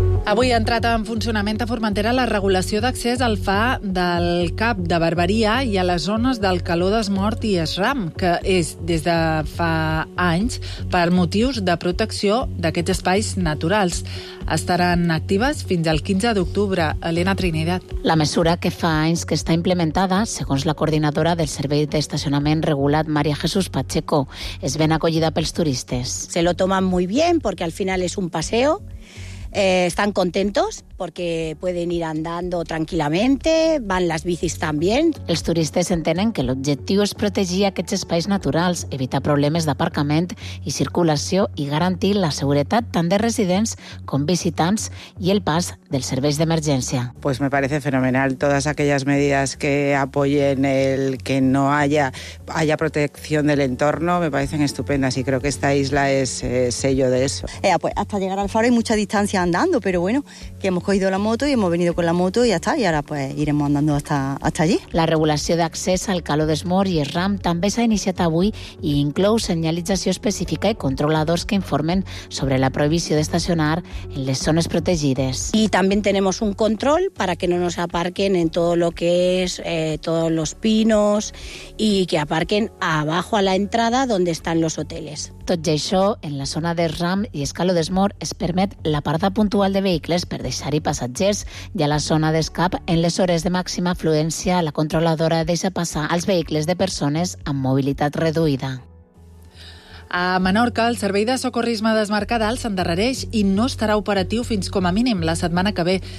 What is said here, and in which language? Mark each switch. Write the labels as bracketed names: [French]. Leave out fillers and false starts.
[Catalan] Avui ha entrat en funcionament a Formentera la regulació d'accés al FA del Cap de Barberia i a les zones del Caló d'Esmort i Esram, que és des de fa anys per motius de protecció d'aquests espais naturals. Estaran actives fins al 15 d'octubre. Elena Trinidad. La mesura, que fa anys que està implementada, segons la coordinadora del Servei d'Estacionament Regulat, Maria Jesús Pacheco, és ben acollida pels turistes. [Spanish] Se lo toman muy bien porque al final es un paseo. Están contentos porque pueden ir andando tranquilamente, van las bicis también. [Catalan] Els turistes entenen que l'objectiu és protegir aquests espais naturals, evitar problemes d'aparcament i circulació i garantir la seguretat tant de residents com visitants i el pas dels serveis d'emergència. [Spanish] Pues me parece fenomenal todas aquellas medidas que apoyen el que no haya protección del entorno, me parecen estupendas y creo que esta isla es sello de eso. Pues hasta llegar al faro hay mucha distancia andando, pero bueno, que hemos cogido la moto y hemos venido con la moto y ya está, y ahora pues iremos andando hasta allí. [Catalan] La regulació d'accés al Caló d'Esmort i Esram també s'ha iniciat avui i inclou senyalització específica i controladors que informen sobre la prohibició d'estacionar en les zones protegides. [Spanish] Y también tenemos un control para que no nos aparquen en todo lo que es todos los pinos y que aparquen abajo a la entrada donde están los hoteles. [Catalan] Tot i això, en la zona de Ram i Escaló d'Esmort es permet l'aparada puntual de vehicles per deixar-hi passatgers i a la zona d'Escap, en les hores de màxima afluència, la controladora deixa passar els vehicles de persones amb mobilitat reduïda. A Menorca, el Servei de Socorrisme d'Esmercadal s'endarrereix i no estarà operatiu fins com a mínim la setmana que ve.